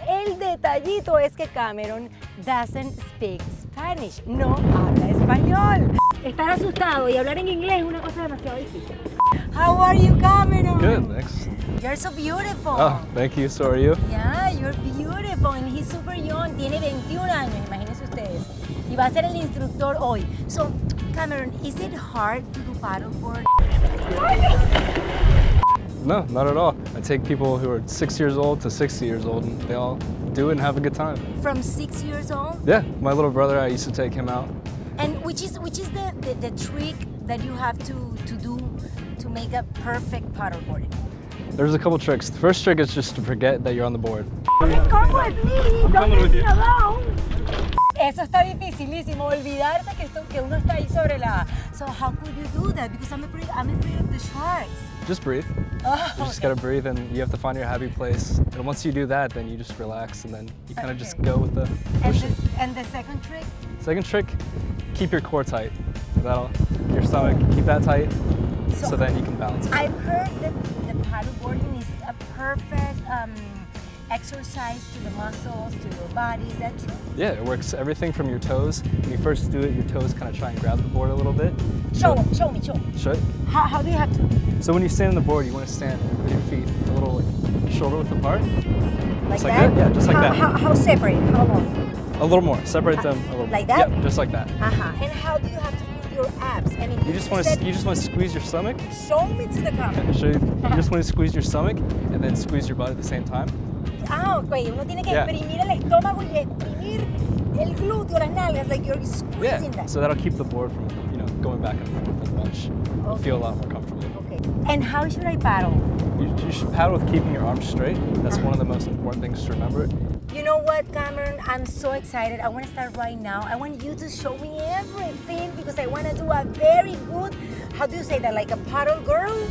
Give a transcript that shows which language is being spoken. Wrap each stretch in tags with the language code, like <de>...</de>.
<es>El detallito es que Cameron</es> <en>doesn't speak Spanish,</en> <es>no habla español. Estar asustado y hablar en inglés es una cosa demasiado difícil.</es> <en>How are you, Cameron? Good, thanks. You're so beautiful. Oh, thank you. So are you? Yeah, you're beautiful. And he's super young.</en> <es>Tiene 21 años, imagínense ustedes. Y va a ser el instructor hoy.</es> <en>So, Cameron, is it hard to do paddleboard? No, not at all. I take people who are 6 years old to 60 years old, and they all do it and have a good time. From 6 years old? Yeah, my little brother, I used to take him out. And which is the trick that you have to do to make a perfect paddleboard? There's a couple tricks. The first trick is just to forget that you're on the board. Come with me. Don't leave me alone.</en> <es>Eso está dificilísimo, olvidarse que uno está ahí sobre la.</es> <en>So how could you do that? Because I'm afraid of the sharks. Just breathe. Oh, you just gotta breathe, and you have to find your happy place. And once you do that, then you just relax, and then you kind of just go with the. And the second trick. Second trick, keep your core tight. Your stomach, keep that tight. So then you can balance. I've heard that the paddleboarding is a perfect exercise to the muscles, to your body. Is that true? Yeah, it works everything from your toes. When you first do it, your toes kind of try and grab the board a little bit. Show me. Sure. How do you have to? So when you stand on the board, you want to stand with your feet a little like, shoulder width apart. Like that? Yeah, just like how, that. How separate? How long? A little more. Separate them a little. Like that? Yeah, just like that. Uh-huh. And how do you have to move your abs? You just want to squeeze your stomach. Show me to the camera. Show you. You just want to squeeze your stomach and then squeeze your butt at the same time. Ah, okay.</en> <es>Uno tiene que exprimir el estómago y exprimir el glúteo, las nalgas,</es> <en>like you're squeezing that. Yeah. So that'll keep the board from, you know, going back and forth as much. Okay. You feel a lot more comfortable. Okay. And how should I paddle? You should paddle with keeping your arms straight. That's one of the most important things to remember. You know what, Cameron? I'm so excited. I want to start right now. I want you to show me everything because I want to do a very good, how do you say that, like a paddle girl?</en>